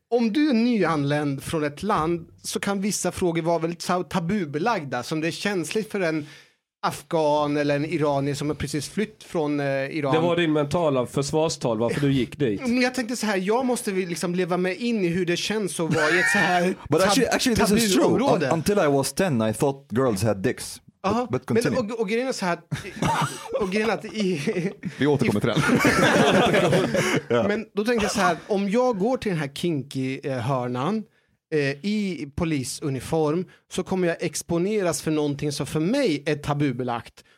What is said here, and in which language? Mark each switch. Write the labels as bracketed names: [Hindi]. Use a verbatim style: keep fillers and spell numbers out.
[Swedish] Om du är nyanländ från ett land så kan vissa frågor vara väldigt tabubelagda. Som det är känsligt för en afghan eller en iranier som har precis flytt från eh, Iran. Det var din mentala försvarstal varför du gick dit. Men jag tänkte så här, jag måste liksom leva mig in i hur det känns att vara i ett så här [English] But actually, actually this is true. Un- until I was ten I thought girls had dicks. [Swedish] Aha, [English] but, but [Swedish] men, och, och grejen är så här och grejen att i, vi återkommer till den. Men då tänkte jag så här, om jag går till den här kinky-hörnan eh, i polisuniform så kommer jag exponeras för någonting som för mig är tabubelagt.